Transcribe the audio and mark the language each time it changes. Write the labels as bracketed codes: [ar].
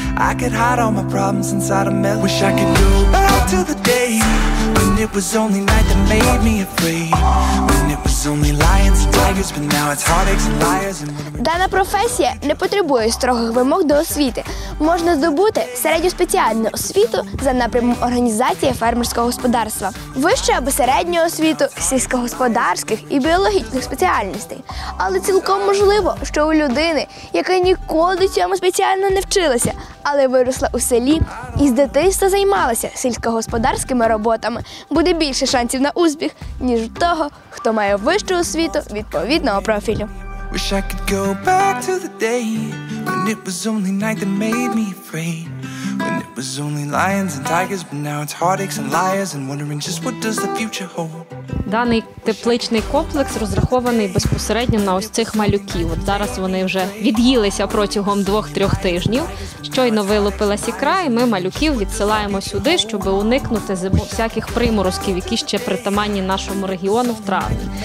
[en] I could hide all my problems inside a melody. Wish I could go back to the day when it was only night that made me afraid. When it was only lions and tigers, but now it's heartaches and liars. [uk] Дана професія не потребує строгих вимог до освіти. Можна здобути середню спеціальну освіту за напрямом організації фермерського господарства, вищу або середню освіту сільськогосподарських і біологічних спеціальностей. Але цілком можливо, що у людини, яка ніколи цьому спеціально не вчилася, але виросла у селі і з дитинства займалася сільськогосподарськими роботами, буде більше шансів на успіх, ніж у того, хто має вищу освіту відповідного профілю. [en] Wish I could go back to the day when it was only night that made me afraid. When it was only lions and tigers, but now it's heartaches and liars and wondering just what does the future hold. [uk] Даний тепличний комплекс розрахований безпосередньо на ось цих малюків. От зараз вони вже від'їлися протягом 2-3 тижнів. Щойно вилупилась ікра, і ми малюків відсилаємо сюди, щоб уникнути всяких приморозків, які ще притаманні нашому регіону в травні.